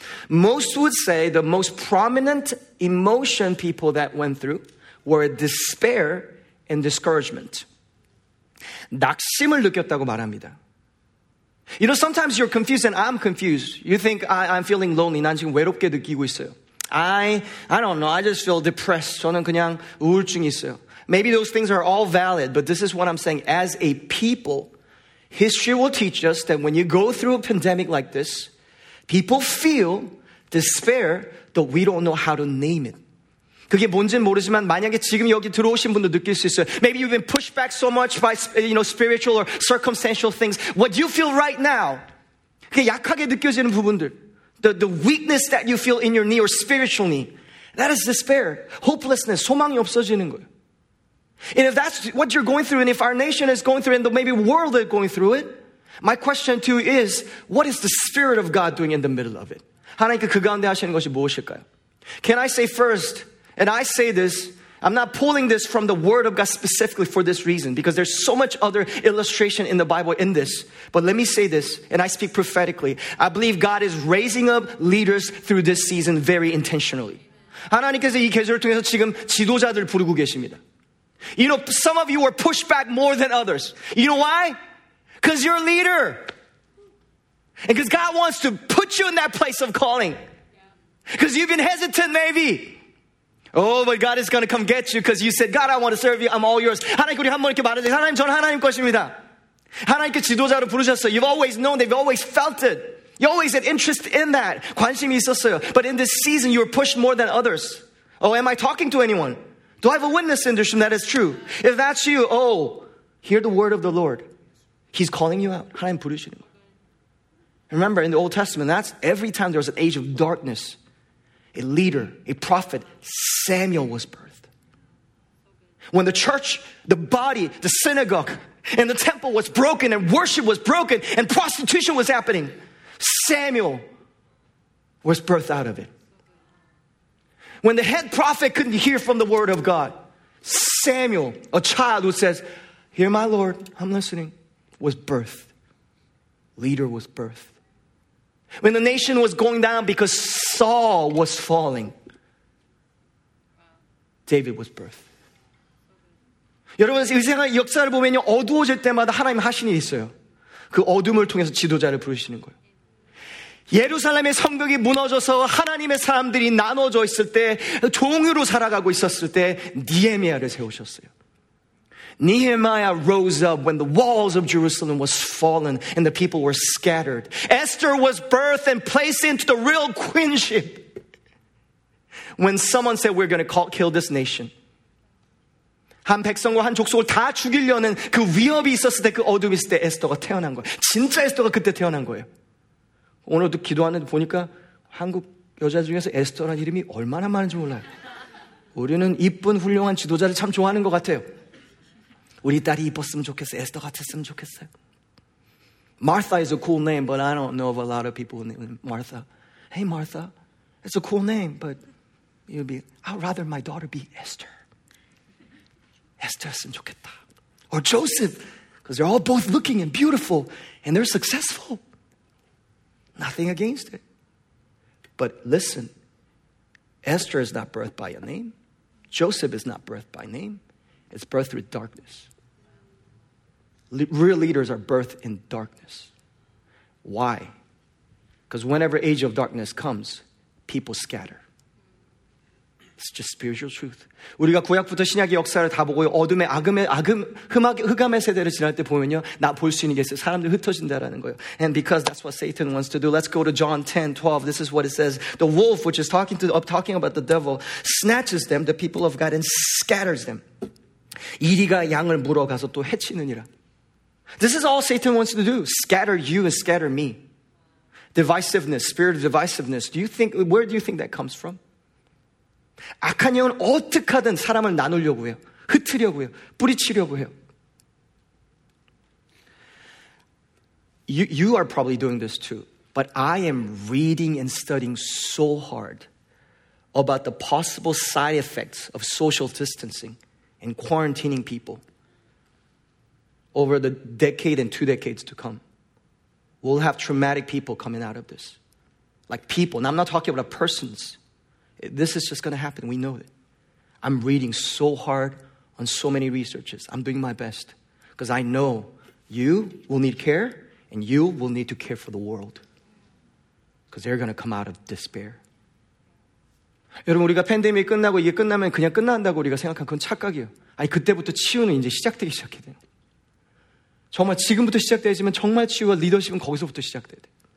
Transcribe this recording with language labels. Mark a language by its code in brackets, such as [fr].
[en] Most would say the most prominent emotion people that went through were despair and discouragement. [ko] 낙심을 느꼈다고 말합니다. [en] You know, sometimes you're confused and I'm confused. You think I'm feeling lonely. [ko] 난 지금 외롭게 느끼고 있어요. [en] I don't know. I just feel depressed. [ko] 저는 그냥 우울증이 있어요. [en] Maybe those things are all valid, but this is what I'm saying. As a people, history will teach us that when you go through a pandemic like this, people feel despair, though we don't know how to name it. [ko] 그게 뭔지는 모르지만 만약에 지금 여기 들어오신 분도 느낄 수 있어요. [en] Maybe you've been pushed back so much by, you know, spiritual or circumstantial things. What you feel right now, [ko] 그게 약하게 느껴지는 부분들, [en] the weakness that you feel in your knee or spiritual knee, that is despair, hopelessness, [ko] 소망이 없어지는 거예요. [en] And if that's what you're going through, and if our nation is going through, and maybe the world is going through it, my question to you is, what is the Spirit of God doing in the middle of it? [ko] 하나님께 그 가운데 하시는 것이 무엇일까요? [en] Can I say first, and I say this, I'm not pulling this from the Word of God specifically for this reason, because there's so much other illustration in the Bible in this. But let me say this, and I speak prophetically. I believe God is raising up leaders through this season very intentionally. [ko] 하나님께서 이 계절을 통해서 지금 지도자들을 부르고 계십니다. [en] You know, some of you were pushed back more than others. You know why? Because you're a leader. And because God wants to put you in that place of calling. Because you've been hesitant maybe. Oh, but God is going to come get you because you said, God, I want to serve you. I'm all yours. [ko] 하나님께 우리 한 번 이렇게 말하세요. 하나님, 저는 하나님 것입니다. 하나님께 지도자로 부르셨어요. [en] You've always known that. You've always felt it. You always had interest in that. [ko] 관심이 있었어요. [en] But in this season, you were pushed more than others. Oh, am I talking to anyone? Do I have a witness in this room that is true? If that's you, oh, hear the word of the Lord. He's calling you out. [ko] 하나님 부르시는 거예요. [en] Remember, in the Old Testament, that's every time there was an age of darkness, a leader, a prophet, Samuel was birthed. When the church, the body, the synagogue, and the temple was broken, and worship was broken, and prostitution was happening, Samuel was birthed out of it. When the head prophet couldn't hear from the word of God, Samuel, a child who says, hear my Lord, I'm listening, was birthed. Leader was birthed. When the nation was going down because Saul was falling, David was birthed. [ko] 여러분, 이생의 역사를 보면요, 어두워질 때마다 하나님 하신 일이 있어요. 그 어둠을 통해서 지도자를 부르시는 거예요. 예루살렘의 성벽이 무너져서 하나님의 사람들이 나눠져 있을 때, 종으로 살아가고 있었을 때 니헤미야를 세우셨어요. [en] Nehemiah rose up when the walls of Jerusalem was fallen and the people were scattered. Esther was birthed and placed into the real queenship. When someone said, we're going to kill this nation. [ko] 한 백성과 한 족속을 다 죽이려는 그 위협이 있었을 때, 그 어둠이 있을 때 에스더가 태어난 거예요. 진짜 에스더가 그때 태어난 거예요. 오늘도 기도하는데 보니까 한국 여자 중에서 에스더라는 이름이 얼마나 많은지 몰라요. 우리는 이쁜 훌륭한 지도자를 참 좋아하는 것 같아요. 우리 딸이 이뻤으면 좋겠어. 에스더 같았으면 좋겠어요. [en] Martha is a cool name, but I don't know of a lot of people named Martha. Hey, Martha. It's a cool name, but you'd be, I'd rather my daughter be Esther. [ko] Esther였으면 좋겠다. [en] Or Joseph, because they're all both looking and beautiful, and they're successful. Nothing against it. But listen, Esther is not birthed by a name. Joseph is not birthed by name. It's birthed through darkness. Real leaders are birthed in darkness. Why? Because whenever age of darkness comes, people scatter. It's just spiritual truth. [ko] 우리가 구약부터 신약의 역사를 다 보고 어둠의 악음의 악음 흑암의, 흑암의 세대를 지날 때 보면요, 나 볼 수 있는 게 있어요. 사람들 흩어진다라는 거예요. [en] And because that's what Satan wants to do, let's go to John 10:12. This is what it says: the wolf, which is talking about the devil, snatches them, the people of God, and scatters them. [ko] 이리가 양을 물어가서 또 해치느니라. [en] This is all Satan wants to do. Scatter you and scatter me. Divisiveness, spirit of divisiveness. Where do you think that comes from? [ko] 악한 영은 어떻게든 사람을 나누려고 해요. 흩으려고 해요. 뿌리치려고 해요. [en] You are probably doing this too. But I am reading and studying so hard about the possible side effects of social distancing and quarantining people over the decade and two decades to come. We'll have traumatic people coming out of this. Like people. Now, I'm not talking about persons. This is just going to happen. We know it. I'm reading so hard on so many researches. I'm doing my best. Because I know you will need care, and you will need to care for the world. Because they're going to come out of despair. [ko] 여러분, 우리가 팬데믹이 끝나고 이게 끝나면 그냥 끝난다고 우리가 생각한 그건 착각이에요. 아니, 그때부터 치유는 이제 시작되기 시작해야 돼요. 정말 지금부터 시작되지만 정말 치유와 리더십은 거기서부터 시작돼야 돼요.